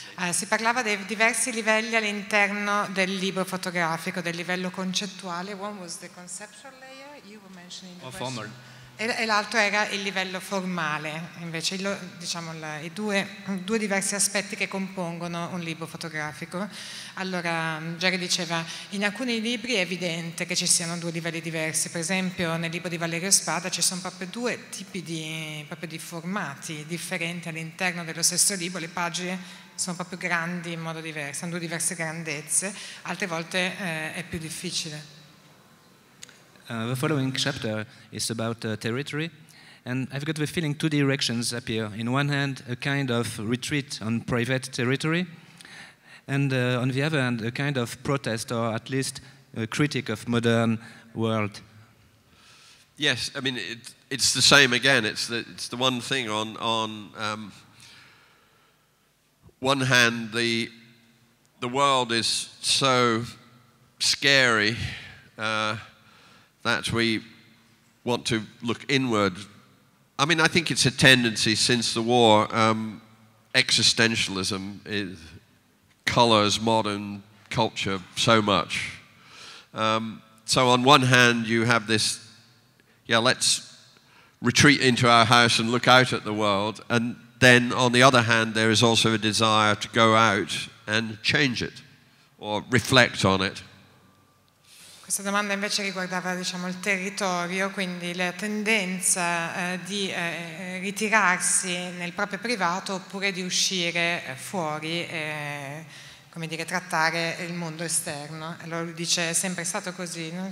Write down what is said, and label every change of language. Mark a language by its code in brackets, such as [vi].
[it] Si parlava dei diversi livelli all'interno del libro fotografico, del livello concettuale. [en] One was the conceptual layer, you were mentioning the formal. [it] E l'altro era il livello formale, invece, i due diversi aspetti che compongono un libro fotografico. Allora, Jerry diceva, in alcuni libri è evidente che ci siano due livelli diversi, per esempio nel libro di Valerio Spada ci sono proprio due tipi di formati differenti all'interno dello stesso libro, le pagine sono proprio grandi in modo diverso, hanno due diverse grandezze, altre volte è più difficile. [en] The following chapter is about territory, and I've got the feeling two directions appear. In one hand, a kind of retreat on private territory, and on the other hand, a kind of protest, or at least a critic of modern world. Yes, I mean, it's the same again. It's the one thing on one hand, the world is so scary, that we want to look inward. I mean, I think it's a tendency since the war. Existentialism colors modern culture so much. So on one hand, you have this, let's retreat into our house and look out at the world. And then on the other hand, there is also a desire to go out and change it or reflect on it. [it] Questa domanda invece riguardava, diciamo, il territorio, quindi la tendenza di ritirarsi nel proprio privato oppure di uscire fuori, come dire, trattare il mondo esterno. Allora lui dice, è sempre stato così, no?